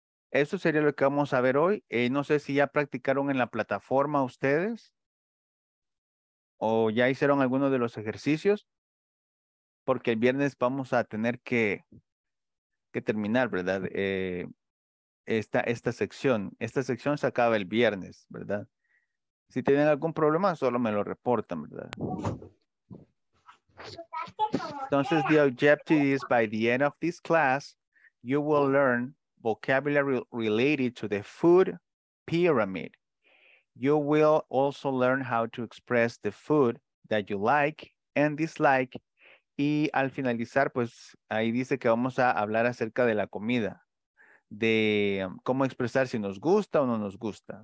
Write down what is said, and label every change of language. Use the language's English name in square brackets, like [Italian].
[Spanish] Eso sería lo que vamos a ver hoy. No sé si ya practicaron en la plataforma ustedes o ya hicieron alguno de los ejercicios, porque el viernes vamos a tener que terminar, ¿verdad? Esta sección se acaba el viernes, ¿verdad? Si tienen algún problema, solo me lo reportan, ¿verdad? [English] Entonces, the objective is by the end of this class, you will learn vocabulary related to the food pyramid. You will also learn how to express the food that you like and dislike. [Spanish] Y al finalizar, pues ahí dice que vamos a hablar acerca de la comida, de cómo expresar si nos gusta o no nos gusta.